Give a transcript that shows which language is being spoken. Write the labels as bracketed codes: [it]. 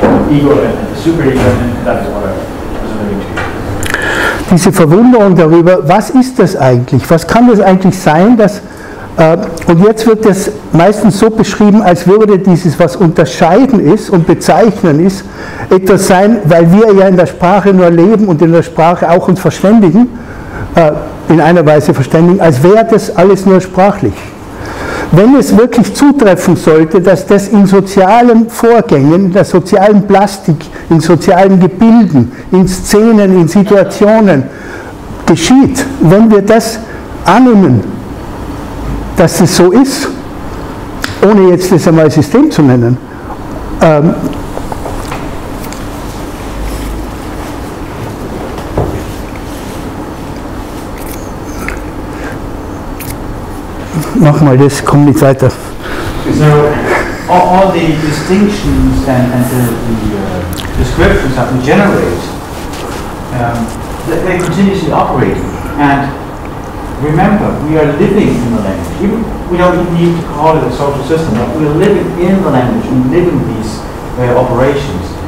[en] Ego and super-ego, that is what I... [de] Diese Verwunderung darüber, was ist das eigentlich? Was kann das eigentlich sein? Und jetzt wird das meistens so beschrieben, als würde dieses, was unterscheiden ist und bezeichnen ist, etwas sein, weil wir ja in der Sprache nur leben und in der Sprache auch uns verständigen, in einer Weise verständigen, als wäre das alles nur sprachlich. Wenn es wirklich zutreffen sollte, dass das in sozialen Vorgängen, in der sozialen Plastik, in sozialen Gebilden, in Szenen, in Situationen geschieht, wenn wir das annehmen, dass es so ist, ohne jetzt das einmal System zu nennen, mach mal das, komm nicht weiter. [en] So, all the distinctions and the descriptions that we generate, they continuously operate. And remember, we are living in the language. We don't even need to call it a social system, but we're living in the language and living these operations.